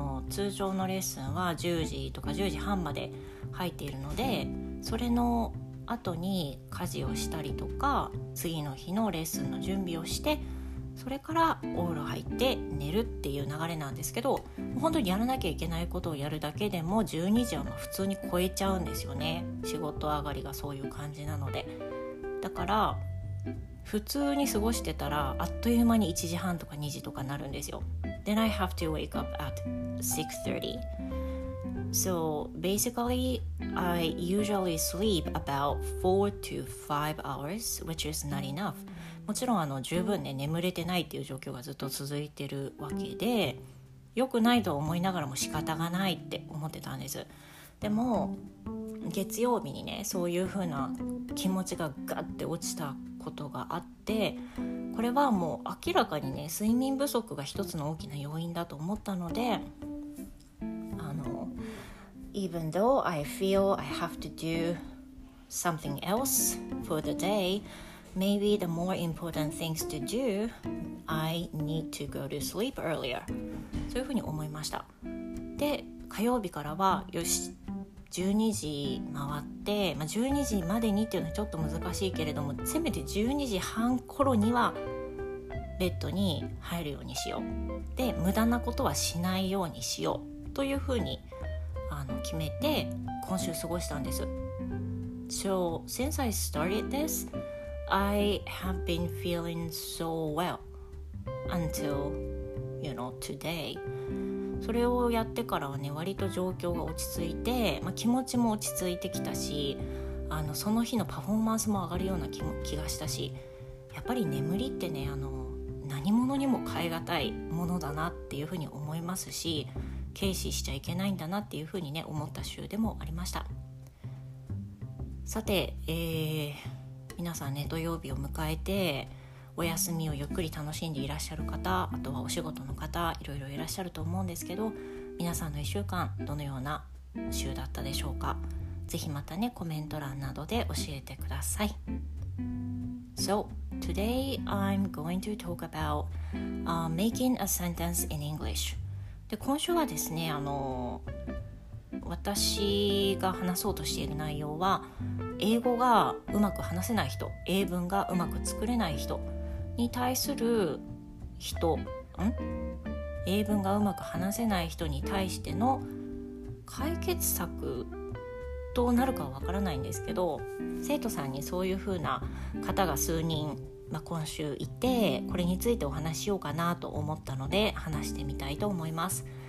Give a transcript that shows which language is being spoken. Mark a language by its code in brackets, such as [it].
[ja] 通常のレッスンは10時とか10時半まで入っているので、それの後に家事をしたりとか、次の日のレッスンの準備をして、それからお風呂入って寝るっていう流れなんですけど、本当にやらなきゃいけないことをやるだけでも12時は普通に超えちゃうんですよね、仕事上がりがそういう感じなので。だから普通に過ごしてたら、あっという間に1時半とか2時とかなるんですよ。 [en] Then I have to wake up at 6:30. So basically, I usually sleep about 4 to 5 hours, which is not enough. [ja] もちろん十分ね、眠れてないっていう状況がずっと続いてるわけで、良くないと思いながらも仕方がないって思ってたんです。でも月曜日にね、そういう風な気持ちがガッて落ちたことがあって、これはもう明らかにね、睡眠不足が一つの大きな要因だと思ったので、 [en] Even though I feel I have to do something else for the day, maybe the more important things to do, I need to go to sleep earlier. [ja] そういう風に思いました。で、火曜日からはよし、12時回って、12時までにっていうのはちょっと難しいけれども、せめて12時半頃にはベッドに入るようにしよう、で無駄なことはしないようにしようというふうに決めて今週過ごしたんです。 [en] So since I started this, I have been feeling so well until today. [ja] それをやってからはね、割と状況が落ち着いて、気持ちも落ち着いてきたし、その日のパフォーマンスも上がるような気がしたし、やっぱり眠りってね、何物にも代え難いものだなっていうふうに思いますし、軽視しちゃいけないんだなっていうふうにね、思った週でもありました。さて、皆さんね、土曜日を迎えてお休みをゆっくり楽しんでいらっしゃる方、あとはお仕事の方、いろいろいらっしゃると思うんですけど、皆さんの1週間どのような週だったでしょうか。ぜひまたね、コメント欄などで教えてください。 [en] So, today I'm going to talk about、making a sentence in English. [ja] で、今週はですね、私が話そうとしている内容は、英語がうまく話せない人、英文がうまく作れない人に対する人、英文がうまく話せない人に対しての解決策どうなるかわからないんですけど、生徒さんにそういう風な方が数人、今週いて、これについてお話しようかなと思ったので話してみたいと思います。